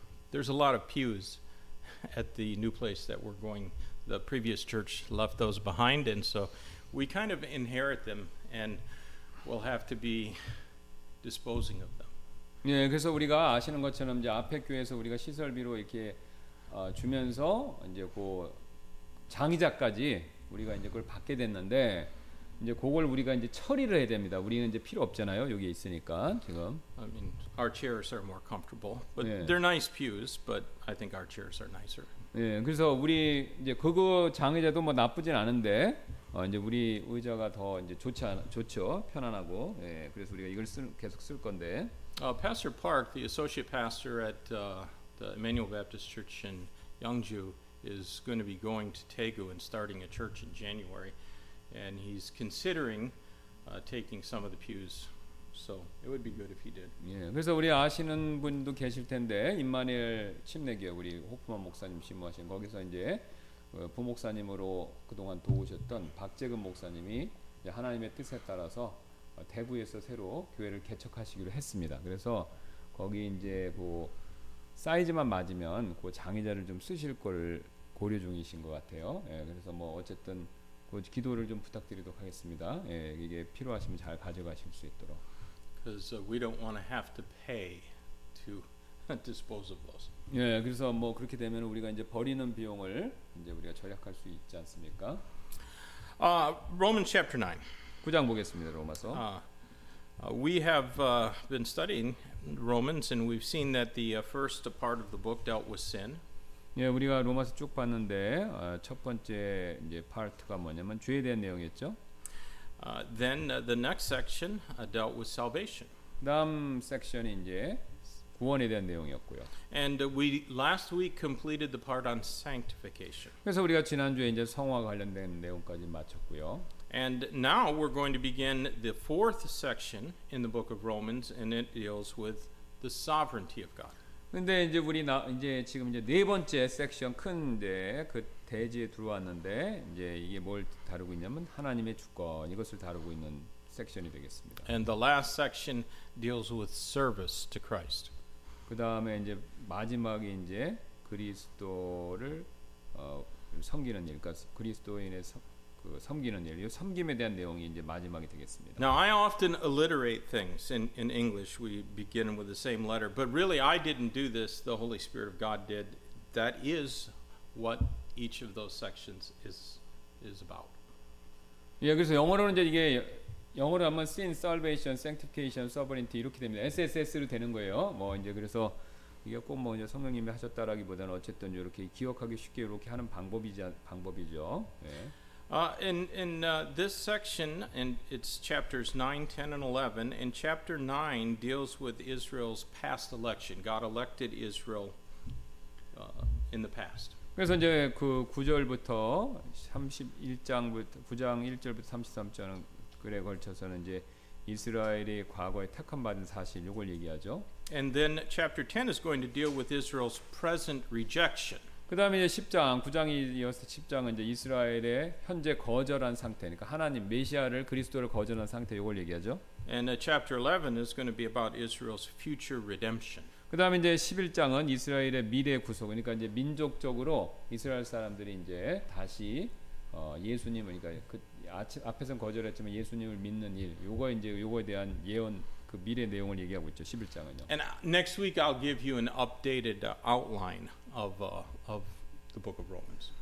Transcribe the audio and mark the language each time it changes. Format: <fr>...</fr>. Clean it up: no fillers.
<en>There's a lot of pews at the new place that we're going. The previous church left those behind, and so we kind of inherit them, and we'll have to be disposing of them.</en> <ko>예, 그래서 우리가 아시는 것처럼 이제 앞에 교회에서 우리가 시설비로 이렇게 주면서 이제 그 장의자까지 우리가 이제 그걸 받게 됐는데. 이제 그걸 우리가 이제 처리를 해야 됩니다. 우리는 이제 필요 없잖아요. 여기 있으니까 지금.</ko> <en>I mean, our chairs are more comfortable, but 예. they're nice pews. But I think our chairs are nicer.</en> <ko>예, 그래서 우리 이제 그거 장의자도 뭐 나쁘진 않은데 이제 우리 의자가 더 이제 좋죠, 편안하고. 예, 그래서 우리가 이걸 계속 쓸 건데.</ko> <en>Pastor Park, the associate pastor at the Emmanuel Baptist Church in Yeongju, is going to be going to Daegu and starting a church in January. And he's considering taking some of the pews, so it would be good if he did.</en> <ko>예, 그래서 우리 아시는 분도 계실 텐데 임마니엘 침례교 우리 호프만 목사님 신부하신 거기서 이제 부목사님으로 그동안 도우셨던 박재근 목사님이 하나님의 뜻에 따라서 대구에서 새로 교회를 개척하시기로 했습니다. 그래서 거기 이제 그 사이즈만 맞으면 그 장의자를 좀 쓰실 걸 고려 중이신 것 같아요. 예, 그래서 뭐 어쨌든. 그 기도를 좀 부탁드리도록 하겠습니다. 예, 이게 필요하시면 잘 가져가실 수 있도록.</ko> <en>Because we don't want to have to pay to dispose of those.</en> <ko>예, 그래서 뭐 그렇게 되면 우리가 이제 버리는 비용을 이제 우리가 절약할 수 있지 않습니까?</ko> <en>Romans chapter 9.</en> <ko>9장 보겠습니다. 로마서.</ko> <en>We have been studying Romans and we've seen that the first part of the book dealt with sin.</en> <ko>예, 우리가 로마서 쭉 봤는데 첫 번째 이제 파트가 뭐냐면 죄에 대한 내용이었죠.</ko> <en>Then the next section dealt with salvation.</en> <ko>다음 섹션이 이제 구원에 대한 내용이었고요.</ko> <en>And we last week completed the part on sanctification.</en> <ko>그래서 우리가 지난주에 이제 성화 관련된 내용까지 마쳤고요.</ko> <en>And now we're going to begin the fourth section in the book of Romans and it deals with the sovereignty of God.</en> <ko>근데 이제 우리 나, 이제 지금 이제 네 번째 섹션 큰 이제 그 대지에 들어왔는데 이제 이게 뭘 다루고 있냐면 하나님의 주권 이것을 다루고 있는 섹션이 되겠습니다.</ko> <en>And the last section deals with service to Christ.</en> <ko>그다음에 이제 마지막에 이제 그리스도를 섬기는 일과 그리스도인의 그 섬기는 일, 이 섬김에 대한 내용이 이제 마지막이 되겠습니다.</ko> <en>Now I often alliterate things in English. We begin with the same letter, but really I didn't do this. The Holy Spirit of God did. That is what each of those sections is about.</en> <ko>예, 그래서 영어로는 이제 이게 영어로 하면</ko> <en>sin, salvation, sanctification, sovereignty</en> <ko>이렇게 됩니다. SSS로 되는 거예요. 뭐 이제 그래서 이게 꼭 뭐 이제 성령님이 하셨다라기보다는 어쨌든 이렇게 기억하기 쉽게 이렇게 하는 방법이죠. 예.</ko> <en>In this section, and it's chapters 9, 10, and 11, and chapter 9 deals with Israel's past election. God elected Israel in the past.</en> <ko>그래서 이제 그 9절부터 31장부터 9장 1절부터 33절은 그래 걸쳐서는 이제 이스라엘이 과거에 택함 받은 사실 이걸 얘기하죠.</ko> <en>And then chapter 10 is going to deal with Israel's present rejection.</en> <ko>그다음에 이제 10장, 9장이 이어서 10장은 이제 이스라엘의 현재 거절한 상태, 그러니까 하나님 메시아를 그리스도를 거절한 상태 이걸 얘기하죠.</ko> <en>And chapter 11 is going to be about Israel's future redemption.</en> <ko>그다음에 이제 11장은 이스라엘의 미래 구속, 그러니까 이제 민족적으로 이스라엘 사람들이 이제 다시 예수님을, 그러니까 그 앞에서는 거절했지만 예수님을 믿는 일, 요거 이제 요거에 대한 예언 그 미래 내용을 얘기하고 있죠. 11장은요.</ko> <en>And next week I'll give you an updated outline of the book of Romans.</en>